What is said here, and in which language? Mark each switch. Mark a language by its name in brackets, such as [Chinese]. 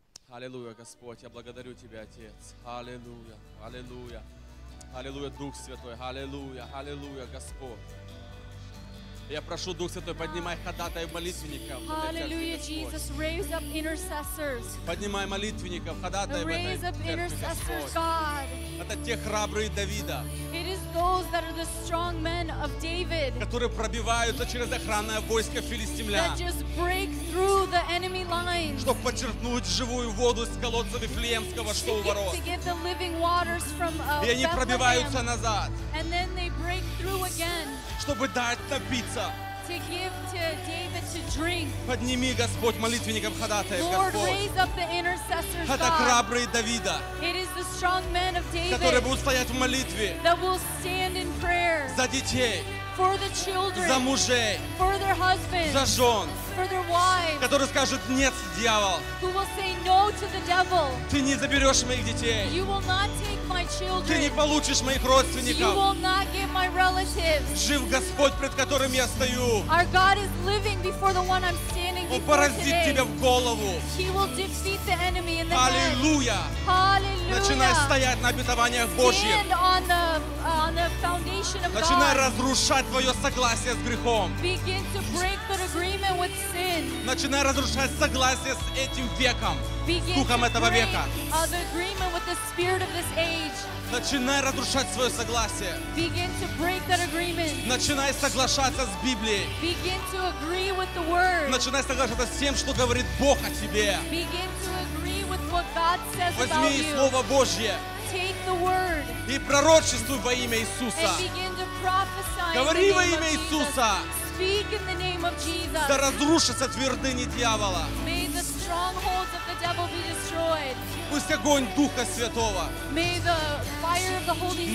[Russian] Аллилуйя, Господь, я благодарю Тебя, Отец. Аллилуйя, аллилуйя. Аллилуйя, Дух Святой, аллилуйя, аллилуйя, Господь. Я прошу, Дух Святой, поднимай ходатай молитвенников. [English] Аллилуйя, Jesus, raise up intercessors. [Russian] Поднимай молитвенников, ходатай в этой церкви, Господь. [English] God. [Russian] Это те храбрые Давида. [English] It is those that are the strong men of David. [Russian] Которые пробиваются через охранное войско филистимлян. [English] That just break through the enemy lines. [Russian] Чтобы почерпнуть живую воду из колодца Вифлеемского, что у ворот. [English] To get the living waters from Bethlehem. [Russian] И они пробиваются назад. [English] And then they break through again. [Russian] Чтобы дать напиться. [English] To give to David to drink. [Russian] Подними, Господь, молитвенников ходатаев, Господь. [English] Lord, raise up the intercessors, God. [Russian] Это храбрые Давида. [English] It is the strong men of David. [Russian] Которые будут стоять в молитве. [English] That will stand in prayer. [Russian] За детей. [English] For the children. [Russian] За мужей. [English] For their husbands. [Russian] За жен. [English] For their wives. [Russian] Которые скажут, нет, дьявол. [English] Who will say no to the devil. [Russian] Ты не заберешь моих детей. [English] You will not take my children. [Russian] Ты не получишь моих родственников. [English] You will not get my relatives. [Russian] Жив Господь, пред которым я стою. [English] Our God is living before the one I'm standing before today. [Russian] Он поразит тебя в голову. [English] He will defeat the enemy in the head. [Russian] Аллилуйя. [English] Hallelujah. [Russian] Начинай стоять на обетованиях Божьих. [English] Stand on the foundation of God. [Russian] Начинай разрушать твое согласие с грехом. [English] Begin to break that agreement with sin. [Russian] Начинай разрушать согласие с этим веком, [English] begin [Russian] с духом этого века. [English] The agreement with the spirit of this age. [Russian] Начинай разрушать свое согласие. [English] Begin to break that agreement. [Russian] Начинай соглашаться с Библией. [English] Begin to agree with the word. [Russian] Начинай соглашаться с тем, что говорит Бог о тебе. [English] Begin to agree with what God says. [Russian] Возьми [English] about [Russian] Слово [English] you. [Russian] Божье. [English] Take the word. [Russian] И пророчествуй во имя Иисуса. [English] And begin to prophesy. [Russian] Говори во имя Иисуса. [English] Speak in the name of Jesus. [Russian] Да разрушатся твердыни дьявола. [English] May the strongholds of the devil be destroyed. [Russian] Пусть огонь Духа Святого. [English] May the fire of the Holy Spirit.